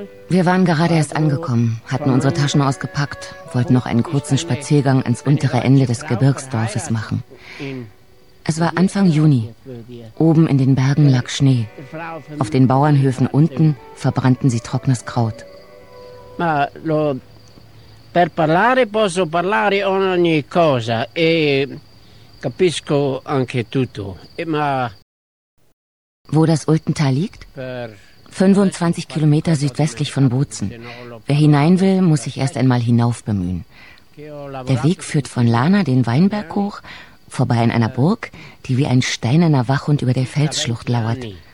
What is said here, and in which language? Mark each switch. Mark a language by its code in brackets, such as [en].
[de] Wir waren gerade erst angekommen, hatten unsere Taschen ausgepackt, wollten noch einen kurzen Spaziergang ans untere Ende des Gebirgsdorfes machen. Es war Anfang Juni. Oben in den Bergen lag Schnee. Auf den Bauernhöfen unten verbrannten sie trockenes Kraut. [it] Ma lo per parlare posso parlare ogni cosa e capisco anche tutto. Ma [de] wo das Ultental liegt? 25 Kilometer südwestlich von Bozen. Wer hinein will, muss sich erst einmal hinauf bemühen. Der Weg führt von Lana den Weinberg hoch, vorbei an einer Burg, die wie ein steinerner Wachhund über der Felsschlucht lauert.